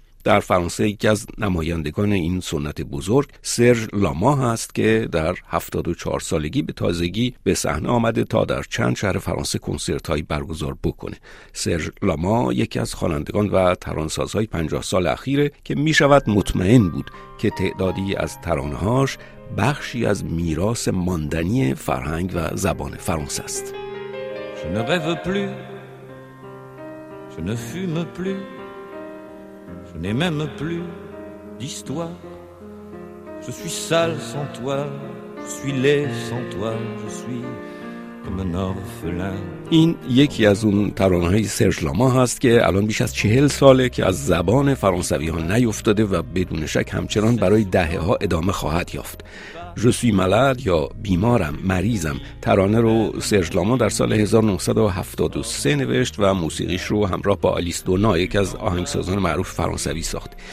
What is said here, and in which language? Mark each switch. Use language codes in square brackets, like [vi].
[fa] در فرانسه یکی از نمایندگان این سنت بزرگ سرژ لاما هست که در 74 سالگی به تازگی به صحنه آمده تا در چند شهر فرانسه کنسرت هایی برگزار بکنه. سرژ لاما یکی از خوانندگان و ترانه‌سازهای 50 سال اخیره که میشود مطمئن بود که تعدادی از ترانه هاش بخشی از میراث ماندنی فرهنگ و زبان فرانسه است. [fr] Je ne rêve plus, je ne fume plus, je n'ai même plus d'histoire. Je suis sale sans toi, je suis laid sans toi, je suis comme un orphelin. [fa] این یکی از اون ترانه‌های سرژ لاما هست که الان بیش از 40 ساله که از زبان فرانسوی‌ها نیفتاده و بدون شک همچنان برای دهه‌ها ادامه خواهد یافت. [fr] Je suis malade [fa] یا بیمارم، مریضم، ترانه رو سرژ لاما در سال 1973 نوشت و موسیقیش رو همراه با آلیس دونا، یکی از آهنگسازان معروف فرانسوی، ساخت.